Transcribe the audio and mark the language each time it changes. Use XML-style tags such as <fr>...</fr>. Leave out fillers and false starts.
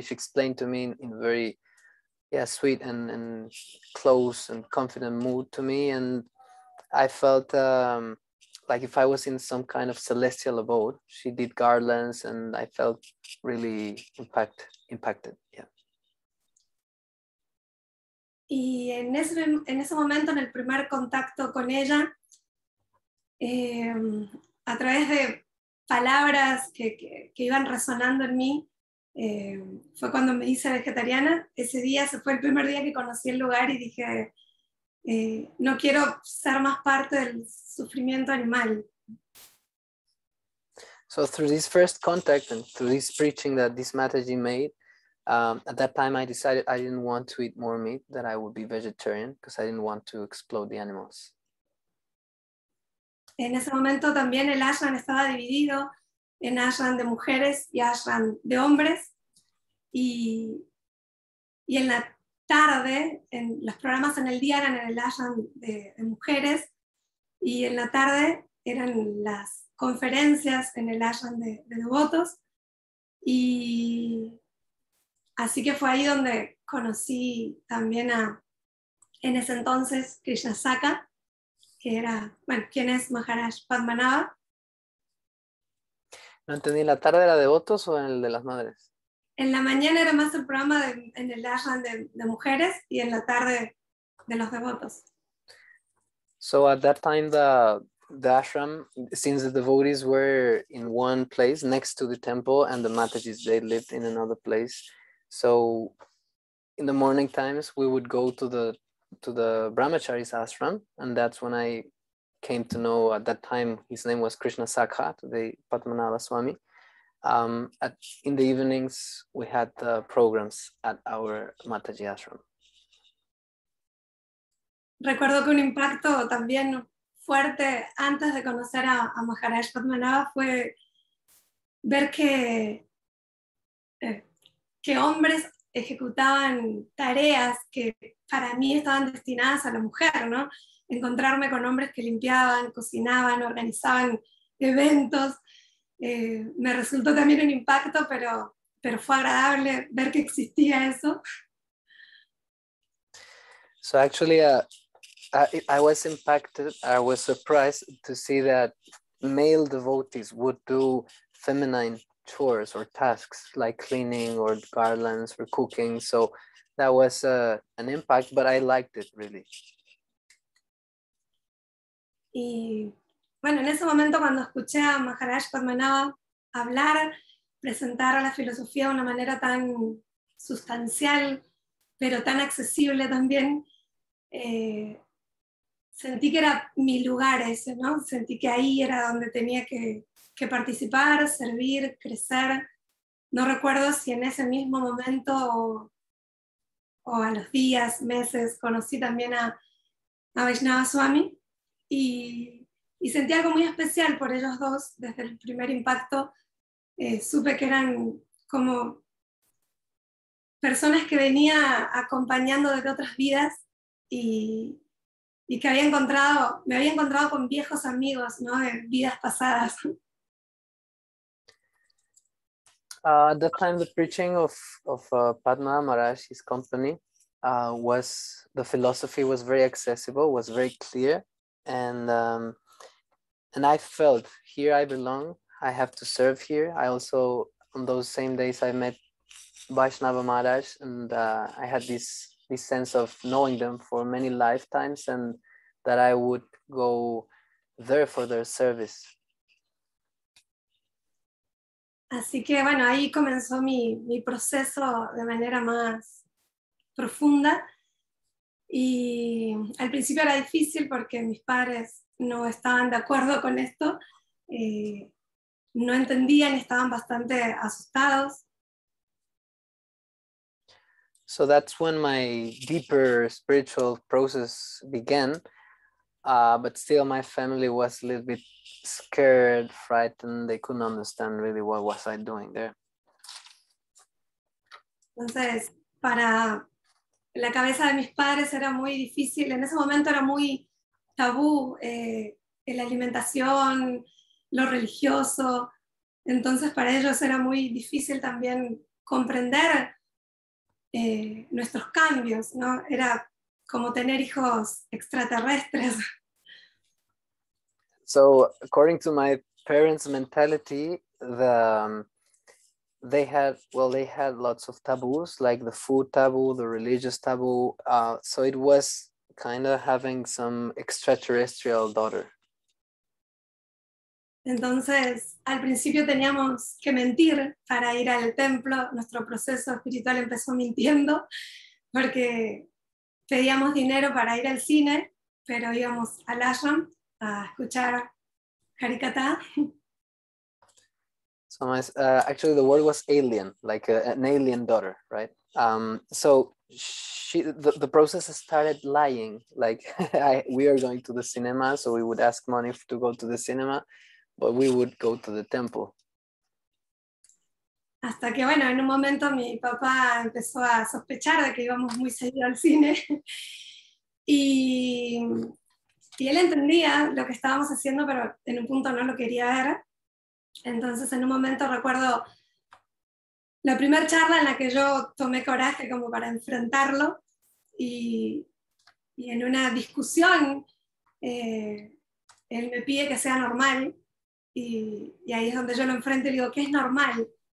<en>She explained to me in a very sweet and close and confident mood to me. And I felt like if I was in some kind of celestial abode. She did garlands and I felt really impacted. Yeah.</en> <es>Y en ese momento, en el primer contacto con ella, a través de palabras que iban resonando en mí, fue cuando me hice vegetariana. Ese día, ese fue el primer día que conocí el lugar y dije, no quiero ser más parte del sufrimiento animal.</es> <en>So through this first contact and through this preaching that this Mataji made, at that time, I decided I didn't want to eat more meat, that I would be vegetarian, because I didn't want to explode the animals.</en> <es>En ese momento también el ashram estaba dividido en ashram de mujeres y ashram de hombres. Y en la tarde, en los programas en el día eran en el ashram de mujeres. Y en la tarde eran las conferencias en el ashram de devotos. Y así que fue ahí donde conocí también a, en ese entonces, Krishnasaka, que era, bueno, ¿quién es Maharaj Padmanabha? No entendí, ¿la tarde era devotos o en el de las madres? En la mañana era más el programa de, en el ashram de mujeres y en la tarde de los devotos.</es> <en>So at that time the ashram, since the devotees were in one place next to the temple and the Matajis, they lived in another place. So in the morning times we would go to the Brahmacharis ashram, and that's when I came to know, at that time his name was Krishnasaka, today Padmanabha Swami. In the evenings we had the programs at our Mataji ashram.</en> <es>Recuerdo que un impacto también fuerte antes de conocer a Maharaj Padmanabha fue ver que hombres ejecutaban tareas que para mí estaban destinadas a la mujer, ¿no? Encontrarme con hombres que limpiaban, cocinaban, organizaban eventos, me resultó también un impacto, pero fue agradable ver que existía eso.</es> <en>So actually, I was impacted, I was surprised to see that male devotees would do feminine chores or tasks like cleaning or garlands or cooking. So that was an impact, but I liked it really.</en> <es>Y bueno, en ese momento cuando escuché a Maharaj Padmanabha hablar, presentar a la filosofía de una manera tan sustancial, pero tan accesible también, sentí que era mi lugar ese, ¿no? Sentí que ahí era donde tenía que participar, servir, crecer. No recuerdo si en ese mismo momento o a los días, meses, conocí también a Vaishnava Swami y sentí algo muy especial por ellos dos. Desde el primer impacto, supe que eran como personas que venía acompañando desde otras vidas y que había encontrado, me había encontrado con viejos amigos, ¿no? De vidas pasadas.</es> <en>At that time, the preaching of Padma Maharaj, his company, was, the philosophy was very accessible, was very clear, and I felt, here I belong, I have to serve here. I also, on those same days, I met Vaishnava Maharaj, and I had this sense of knowing them for many lifetimes, and that I would go there for their service.</en> <es>Así que bueno, ahí comenzó mi proceso de manera más profunda. Y al principio era difícil porque mis padres no estaban de acuerdo con esto. No entendían, estaban bastante asustados.</es> <en>So that's when my deeper spiritual process began. But still my family was a little bit scared, frightened, they couldn't understand really what was I doing there.</en> <es>Entonces, para la cabeza de mis padres era muy difícil, en ese momento era muy tabú, la alimentación, lo religioso, entonces para ellos era muy difícil también comprender nuestros cambios, ¿no? Era como tener hijos extraterrestres.</es> <en>So according to my parents' mentality, they had lots of taboos, like the food taboo, the religious taboo. So it was kind of having some extraterrestrial daughter.</en> <es>Entonces, al principio teníamos que mentir para ir al templo. Nuestro proceso espiritual empezó mintiendo porque pedíamos dinero para ir al cine, pero íbamos al ashram a escuchar Harikata.</es> <en>So my, actually the word was alien, like an alien daughter, right? So she, the process started lying, like we are going to the cinema, so we would ask money to go to the cinema, but we would go to the temple.</en> <es>Hasta que bueno, en un momento mi papá empezó a sospechar de que íbamos muy seguido al cine. Y Y él entendía lo que estábamos haciendo, pero en un punto no lo quería ver. Entonces, en un momento recuerdo la primera charla en la que yo tomé coraje como para enfrentarlo y en una discusión él me pide que sea normal y ahí es donde yo lo enfrento y digo, ¿qué es normal?</es>